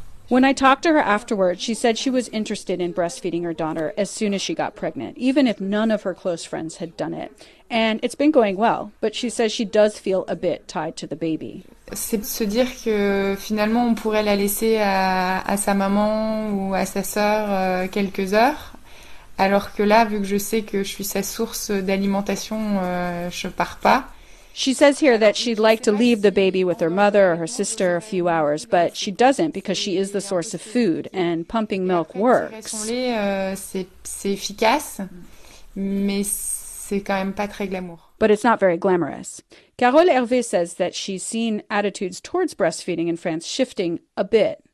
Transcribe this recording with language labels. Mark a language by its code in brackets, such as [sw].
[en] When I talked to her afterwards, she said she was interested in breastfeeding her daughter as soon as she got pregnant, even if none of her close friends had done it. And it's been going well, but she says she does feel a bit tied to the baby. [fr] C'est se dire que finalement on pourrait la laisser à sa maman ou à sa sœur quelques heures, alors que là, vu que je sais que je suis sa source d'alimentation, je pars pas. [en] She says here that she'd like to leave the baby with her mother or her sister a few hours, but she doesn't because she is the source of food and pumping milk works. [fr] C'est efficace, mais c'est quand même pas très glamour. [en] But it's not very glamorous. Carole Hervé says that she's seen attitudes towards breastfeeding in France shifting a bit.